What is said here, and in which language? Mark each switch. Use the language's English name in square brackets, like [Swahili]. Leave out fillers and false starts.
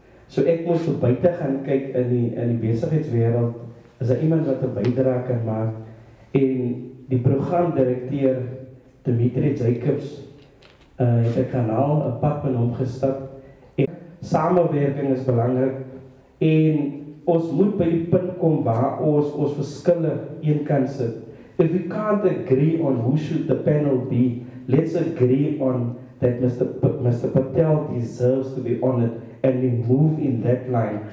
[Afrikaans] So ek moes op buite gaan kyk in die besigheidswereld, is daar iemand wat 'n bydrae kan maak. En die programdirekteur Dimitri Jacobs het 'n kanaal, 'n pad met hom gestap. En samenwerking is belangrik. En ons moet by die punt kom waar ons verskille een kan sit. [English] If we can't agree on who should the panel be, let's agree on that Mr. Patel deserves to be honored and we move in that line.